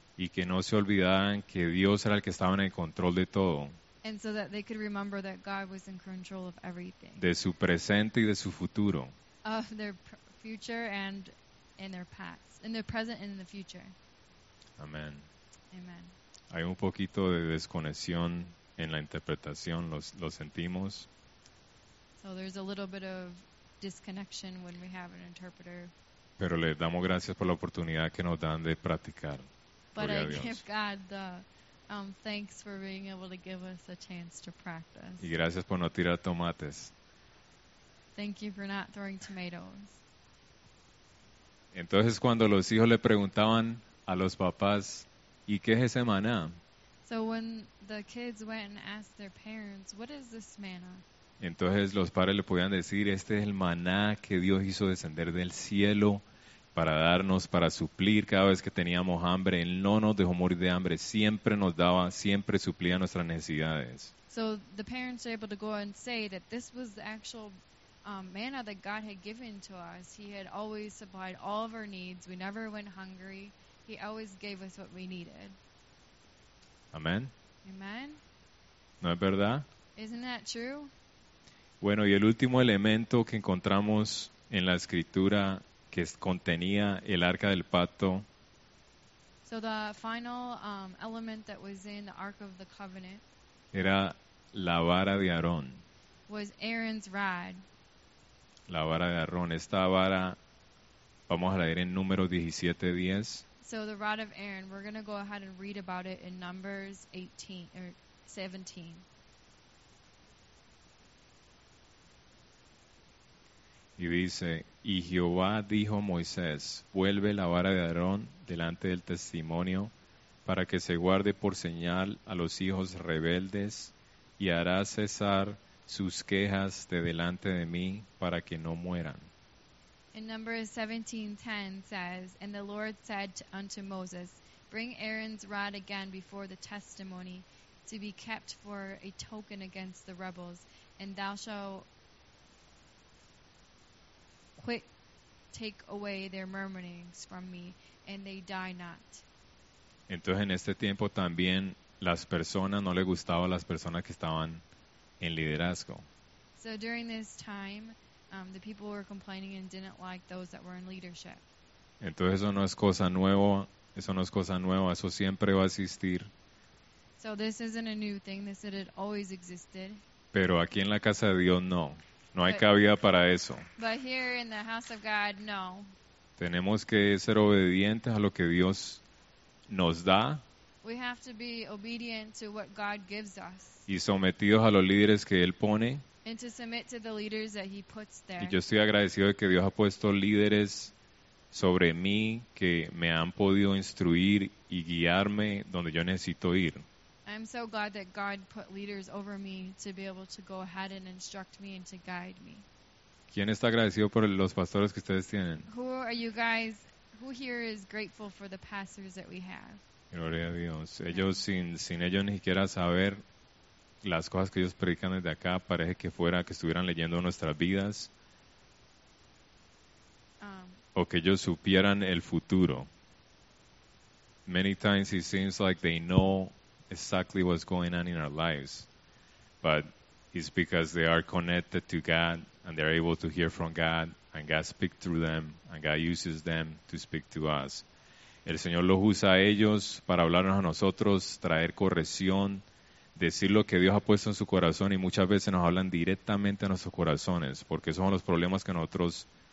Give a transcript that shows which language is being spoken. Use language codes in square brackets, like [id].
[es] Y que no se olvidaran que Dios era el que estaba en el control de todo. [en] And so that they could remember that God was in control of everything. [es] De su presente y de su futuro. [en] Of their future and in their past. In the present and in the future. [es] Amén. [en] Amen. [es] Hay un poquito de desconexión en la interpretación, lo sentimos. [en] So there's a little bit of disconnection when we have an interpreter. [es] Pero les damos gracias por la oportunidad que nos dan de practicar. [en] But I give God the thanks for being able to give us a chance to practice. [es] Y gracias por no tirar tomates. [en] Thank you for not throwing tomatoes. [es] Entonces cuando los hijos le preguntaban a los papás, ¿y qué es ese maná? [en] So when the kids went and asked their parents, what is this manna? [es] Entonces los padres le podían decir, este es el maná que Dios hizo descender del cielo para darnos, para suplir cada vez que teníamos hambre. Él no nos dejó morir de hambre. Siempre nos daba, siempre suplía nuestras necesidades. [en] So the parents were able to go and say that this was the actual manna that God had given to us. He had always supplied all of our needs. We never went hungry. He always gave us what we needed. [es] Amén. [en] Amen. [es] ¿No es verdad? [en] Isn't that true? [es] Bueno, y el último elemento que encontramos en la Escritura que contenía el arca del pacto. [en] So the final element that was in the ark of the covenant [es] era la vara de Aarón. [en] Was Aaron's rod. [es] La vara de Aarón. Esta vara, vamos a leer en Números 17:10. [en] So the rod of Aaron, we're going to go ahead and read about it in Numbers 17. [es] Y dice, y Jehová dijo a Moisés, vuelve la vara de Aarón delante del testimonio para que se guarde por señal a los hijos rebeldes y hará cesar sus quejas de delante de mí para que no mueran. [en] In Numbers 17:10 says, and the Lord said unto Moses, bring Aaron's rod again before the testimony to be kept for a token against the rebels, and thou shalt quick, take away their murmurings from me, and they die not. [es] Entonces, en este tiempo también las personas no le gustaba a las personas que estaban en liderazgo. [en] So during this time, the people were complaining and didn't like those that were in leadership. [es] Entonces eso no es cosa nueva. Eso no es cosa nueva. Eso siempre va a existir. [en] So this isn't a new thing. This had always existed. [es] Pero aquí en la casa de Dios no. No hay cabida para eso. [en] But here in the house of God, no. [es] Tenemos que ser obedientes a lo que Dios nos da. [en] We have to be obedient to what God gives us. [es] Y sometidos a los líderes que Él pone. [en] And to submit to the leaders that He puts there. [es] Y yo estoy agradecido de que Dios ha puesto líderes sobre mí que me han podido instruir y guiarme donde yo necesito ir. [en] I'm so glad that God put leaders over me to be able to go ahead and instruct me and to guide me. [es] ¿Quién está agradecido por los pastores que ustedes tienen? [en] Who are you guys? Who here is grateful for the pastors that we have? [es] Gloria a Dios. Ellos sin ellos ni siquiera saber las cosas que ellos predican desde acá, parece que fuera que estuvieran leyendo nuestras vidas o que ellos supieran el futuro. [en] Many times it seems like they know exactly what's going on in our lives, but it's because they are connected to God and they're able to hear from God, and God speaks through them and God uses them to speak to us. [es] El Señor los usa a ellos para hablarnos a nosotros, traer corrección, decir lo que Dios ha puesto en su corazón, y muchas veces nos hablan directamente a nuestros corazones porque esos son los problemas que nosotros